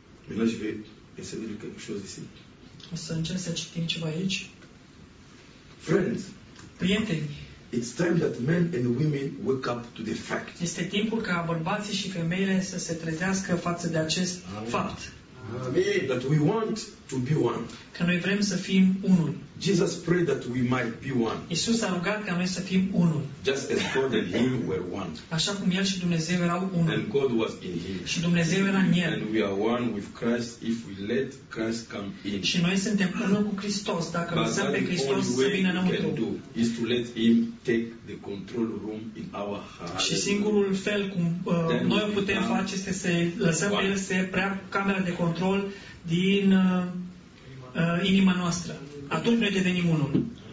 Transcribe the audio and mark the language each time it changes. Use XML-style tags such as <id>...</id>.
<fr>Là, je vais essayer de lire quelque chose ici.</fr> <ro>O să încerc să citim ceva aici.</ro> <en>Friends,</en> <ro>prieteni,</ro> <en>it's time that men and women wake up to the fact.</en> <ro>Este timpul ca bărbații și femeile să se trezească față de acest Amen. Fapt. Amen.</ro> <en>That we want to be one.</en> <ro>Că noi vrem să fim unul.</ro> <en>Jesus prayed that we might be one.</en> <ro>Iisus a rugat ca noi să fim unul.</ro> <en>Just as God and Him were one.</en> <ro>Așa cum El și Dumnezeu erau unul.</ro> <en>And God was in Him.</en> <ro>Și Dumnezeu era în El.</ro> <en>And we are one with Christ if we let Christ come in.</en> <ro>Și noi suntem unul cu Hristos dacă lăsăm pe Hristos să vină înăuntru.</ro> <en>Is to let Him take the control room in our heart.</en> <ro>Și singurul fel cum noi putem face este să lăsăm pe El să prea camera de control din inima noastră. Atunci noi devenim unul.</ro>